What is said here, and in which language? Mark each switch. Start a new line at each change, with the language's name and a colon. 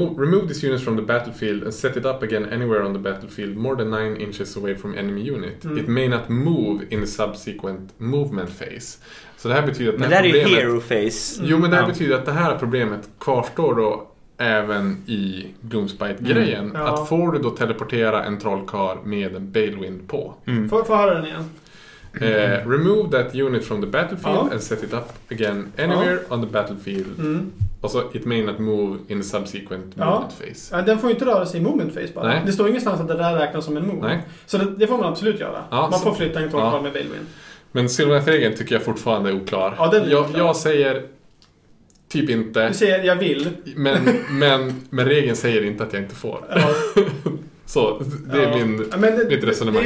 English: Remove this unit from the battlefield and set it up again anywhere on the battlefield more than 9 inches away from enemy unit. Mm. It may not move in the subsequent movement phase.
Swedish: Så det här betyder att men det här problemet, är ju hero phase. Jo, men det här betyder att det här problemet kvarstår då även i Gloomspite-grejen. Mm. Ja. Att får du då teleportera en trollkar med en Balewind på? Mm. Får höra den igen.
English: Remove that unit from the battlefield and set it up again anywhere on the battlefield.
Swedish: Och så
English: it may not move in the subsequent movement phase.
Swedish: Ja, den får ju inte röra sig i movement phase bara. Nej. Det står ingenstans att det där räknas som en move. Nej. Så det får man absolut göra. Ja, man får flytta en trollkar med Balewind. Men Silverfägen tycker jag fortfarande är oklar. Ja, den är oklar. Jag säger typ inte. Du säger jag vill. Men regeln säger inte att jag inte får. Ja. Så det är mitt resonemang.